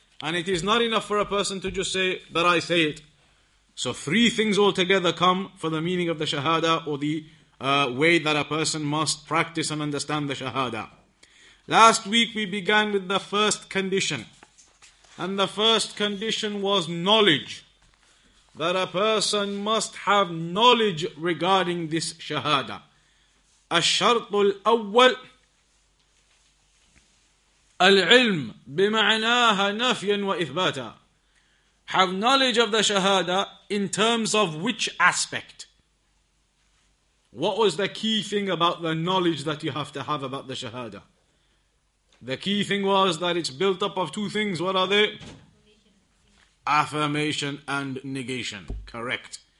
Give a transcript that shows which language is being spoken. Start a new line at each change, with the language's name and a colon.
English: And it is not enough for a person to just say that I say it. So three things altogether come for the meaning of the Shahada, or the way that a person must practice and understand the Shahada. Last week we began with the first condition. And the first condition was knowledge. That a person must have knowledge regarding this Shahada.
Arabic: الشرط الأول العلم بمعناها نفيا وإثباتا.
English: Have knowledge of the Shahada in terms of which aspect? What was the key thing about the knowledge that you have to have about the Shahada? The key thing was that it's built up of two things. What are they? Affirmation and negation. Correct.